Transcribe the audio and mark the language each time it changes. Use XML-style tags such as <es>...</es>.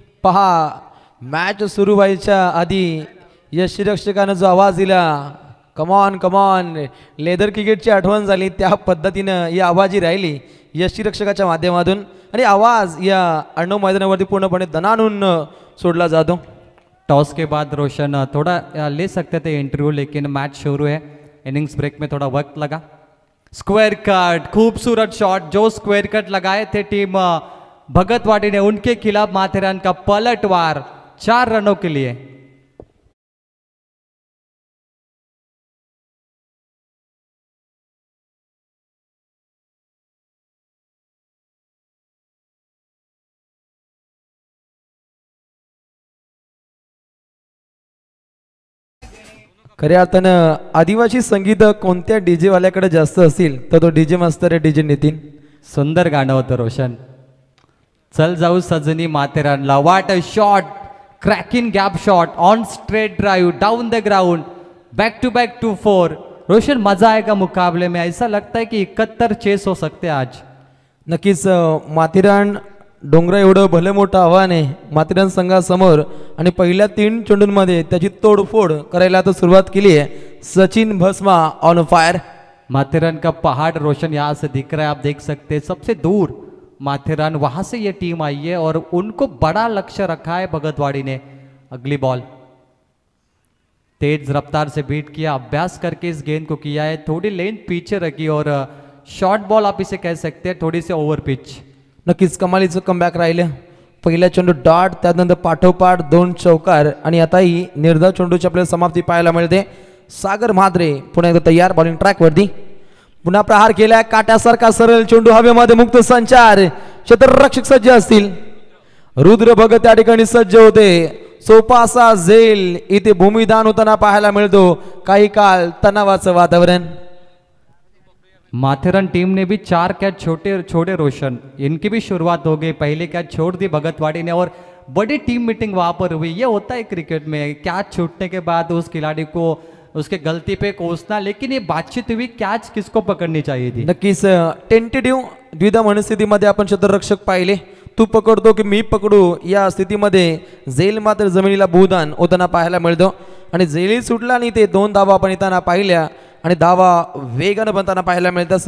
<mr>पहा मॅच सुरू व्हायच्या आधी यशिरक्षकानं जो आवाज दिला, कमॉन कमॉन, लेदर क्रिकेटची आठवण झाली. त्या पद्धतीनं ही आवाजही राहिली यशिरक्षकाच्या माध्यमातून आणि आवाज या अर्णव मैदानावरती पूर्णपणे दणाणून सोडला जातो.</mr> <hi>टॉस के बाद रोशन थोडा ले सकते थे इंटरव्ह्यू, लेकिन</hi> <mr>मॅच सुरू आहे.</mr> <hi>इनिंग्स ब्रेक में थोड़ा वक्त लगा. स्क्वायर कट, खूबसूरत शॉट जो स्क्वायर कट लगाए थे टीम भगतवाड़ी ने, उनके खिलाफ माथेरान का पलटवार 4 रनों के लिए.</hi> <mr>खऱ्या अर्थानं आदिवासी संगीत कोणत्या डीजे वाल्याकडे जास्त असेल तर तो डीजे मास्तर आहे डीजे नितीन. सुंदर गाणं होतं रोशन. चल जाऊ सजनी माथेरानला.</mr> <en>What a shot, cracking gap shot on straight drive down the ground, back to 4.</en> <mr>Roshan मजा आहे का</mr> <hi>मुकाबले में? ऐसा लगता है कि 71 चेस हो सकते आज.</hi> <mr>नक्कीच माथेरान डोंगरा एवढं भले मोठं आव्हान आहे माथेरान संघासमोर, आणि पहिल्या 3 चेंडूंमध्ये त्याची तोडफोड करायला आता सुरुवात केली आहे.</mr> <en>सचिन भस्मा on fire.</en> <hi>माथेरान का पहाड रोशन यहां से दिख रहा है, आप देख सकते हैं सबसे दूर माथेरान, वहां से ये टीम आई है और उनको बड़ा लक्ष्य रखा है भगतवाड़ी ने. अगली बॉल तेज रफ्तार से बीट किया, अभ्यास करके इस गेंद को किया है, थोड़ी लेंथ पीछे रखी और शॉर्ट बॉल आप इसे कह सकते हैं, थोड़ी सी ओवर पिच.</hi> <mr>नक्कीच कमालीचं कम बॅक राहिलं. पहिल्या चेंडू डॉट, त्यानंतर पाठोपाठ 2 चौकार आणि आताही निर्धाव चेंडूची आपल्याला समाप्ती पाहायला मिळते. सागर म्हात्रे पुन्हा एकदा तयार बॉलिंग ट्रॅकवरती. पुन्हा प्रहार केला, काट्यासारखा सरळ चेंडू हवेमध्ये मुक्त संचार. क्षेत्ररक्षक सज्ज असतील. रुद्र भगत त्या ठिकाणी सज्ज होते. सोपासा झेल इथे भूमिदान होताना पाहायला मिळतो. काही काळ तणावाचं वातावरण.</mr> <hi>माथेरन टीम ने भी चार कैच छोड़े रोशन, इनकी भी शुरुआत हो गई। पहले कैच छोड़ दी भगतवाड़ी ने और बड़ी टीम मीटिंग वहां पर हुई। ये होता है क्रिकेट में, कैच छूटने के बाद उस खिलाड़ी को उसके गलती पे कोसना, लेकिन ये बातचीत हुई कैच किसको पकड़नी चाहिए थी।</hi> <mr>नक्कीस टेंटेटिव द्विधा मनस्थिति मध्ये आपण क्षेत्ररक्षक पाहिले, तू पकडतो की मी पकडू या स्थितीमध्ये जेल मात्र जमिनीला भूदान होताना पाहायला मिळतो। आणि जेलही सुटला नाही, ते दोन धावा पण येताना पाहिल्या आणि धावा वेगानं बनताना पाहायला मिळतात।</mr>